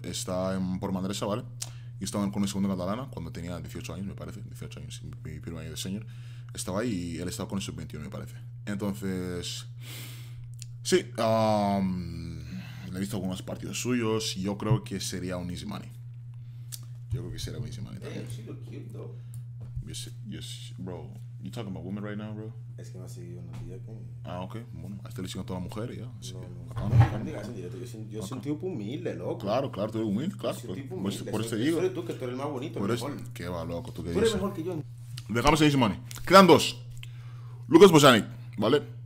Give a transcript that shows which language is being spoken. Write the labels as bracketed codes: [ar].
[es] Está en Port Manresa, ¿vale? Y estaba con el segundo catalana cuando tenía 18 años, me parece. 18 años, mi primer año de senior. Estaba ahí y él estaba con el sub-21, me parece. Entonces, sí, le he visto algunos partidos suyos y yo creo que sería un [en] easy money. [es] Yo creo que sería un [en] easy money [es] también. [en] She look cute, though. Bro, you talking about women right now, bro? [es] Es que me ha seguido una tía con... Ah, ok. Bueno, a este le sigo a toda la mujer y ya. Así no, que, no, acá, no. Acá, no. Yo soy un tipo humilde, loco. Claro, claro, tú eres humilde, claro. Yo soy un tipo humilde. Por eso te digo. Tú que tú eres el más bonito, mejor. Qué va, loco, tú que dices. Tú eres mejor que yo. Dejamos el [en] easy money. [es] Quedan dos. Lucas Bosanic, ¿vale?